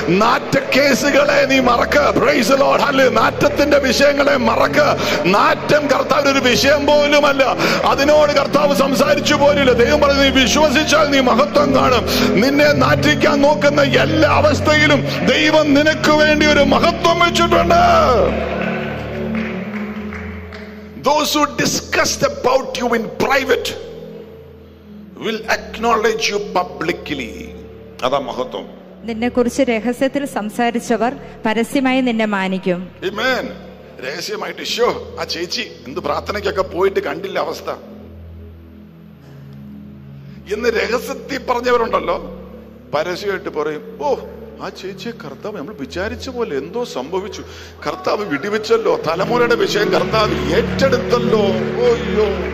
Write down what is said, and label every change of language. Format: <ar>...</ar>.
<ml>നാറ്റ കേസുകളെ നീ മറക്ക്,</ml> <en>praise the lord,</en> <ml>hallelujah. നാറ്റത്തിന്റെ വിഷയങ്ങളെ മറക്ക്. നാറ്റം കർത്താവിനൊരു വിഷയം പോലുമല്ല. അതിനോട് കർത്താവ് സംസാരിച്ചു പോലില്ല. ദൈവം പറഞ്ഞു, നീ വിശ്വസിച്ചാൽ നീ മഹത്വം കാണും. നിന്നെ നാറ്റിക്കാൻ നോക്കുന്ന എല്ലാ അവസ്ഥയിലും ദൈവം നിനക്ക് വേണ്ടി ഒരു മഹത്വം വെച്ചിട്ടുണ്ട്.</ml> <en>Those who discuss about you in private will acknowledge you publicly.</en> <ml>അതാ മഹത്വം. നിന്നെ കുറിച്ച് രഹസ്യത്തിൽ സംസാരിച്ചവർ പരസ്യമായി നിന്നെ മാനിക്കും. ആമേൻ. രഹസ്യമായിട്ട് ഷോ, ആ ചേച്ചി എന്ത് പ്രാർത്ഥനയ്ക്കൊക്കെ പോയിട്ട് കണ്ടില്ല അവസ്ഥ എന്ന് രഹസ്യത്തിൽ പറഞ്ഞവരുണ്ടല്ലോ, പരസ്യമായിട്ട് പറയും, ഓ ആ ചേച്ചിയെ കർത്താവ് നമ്മൾ വിചാരിച്ച പോലെ എന്തോ സംഭവിച്ചു, കർത്താവ് വിടിവെച്ചല്ലോ, തലമുറയുടെ വിഷയം കർത്താവ് ഏറ്റെടുത്തല്ലോ. ഓയ്യോ</ml>